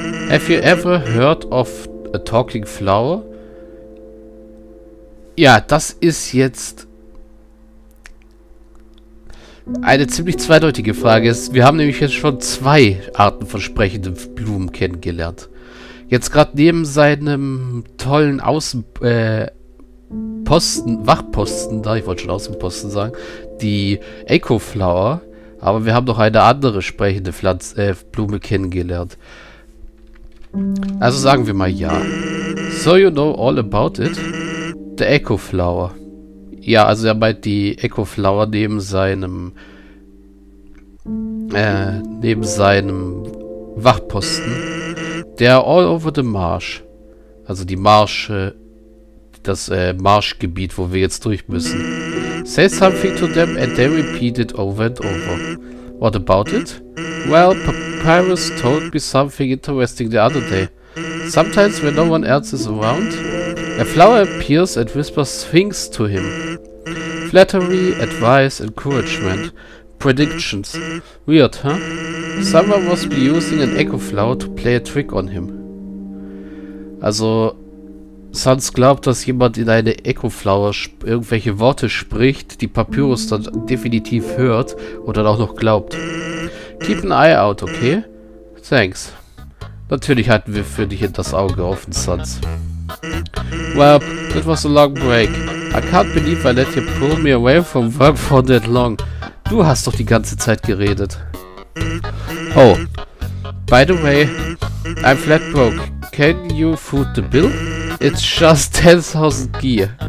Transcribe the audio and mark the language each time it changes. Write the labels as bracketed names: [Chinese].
[English] Have you ever heard of a talking flower? [German] Ja, das ist jetzt eine ziemlich zweideutige Frage. Wir haben nämlich jetzt schon zwei Arten von sprechenden Blumen kennengelernt. Jetzt gerade neben seinem tollen Wachposten da, ich wollte schon Außenposten sagen, die Echo Flower, aber wir haben noch eine andere sprechende Blume kennengelernt. Also sagen wir mal ja. [English] So you know all about it? The Echo Flower. [German] Ja, also er meint die Echo Flower neben seinem Wachposten. [English] They are all over the marsh. [German] Also die Marsche, das Marschgebiet, wo wir jetzt durch müssen. [English] Say something to them and they repeat it over and over. What about it? Well, Papyrus told me something interesting the other day. Sometimes when no one else is around, a flower appears and whispers things to him. Flattery, advice, encouragement, predictions. Weird, huh? Someone must be using an echo flower to play a trick on him. [German] Also, Sans glaubt, dass jemand in eine echo flower irgendwelche Worte spricht, die Papyrus dann definitiv hört und dann auch noch glaubt. [English] Keep an eye out, okay? Thanks. [German] Natürlich halten wir für dich das Auge offen, Sans. [English] Well, that was a long break. I can't believe I let you pull me away from work for that long. [German] Du hast doch die ganze Zeit geredet. [English] Oh, by the way, I'm flat broke. Can you foot the bill? It's just 10,000 gear.